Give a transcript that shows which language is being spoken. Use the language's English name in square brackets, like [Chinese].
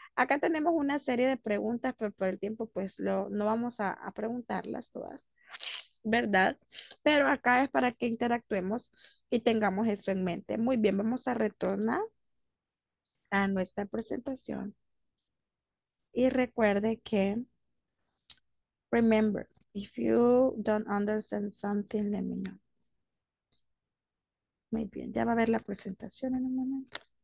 [Spanish] Acá tenemos una serie de preguntas, pero por el tiempo, pues, no vamos a preguntarlas todas, ¿verdad? Pero acá es para que interactuemos y tengamos eso en mente. Muy bien, vamos a retornar a nuestra presentación. Y recuerde que, [English] remember, if you don't understand something, let me know. [Spanish] Muy bien, ya va a ver la presentación en un momento.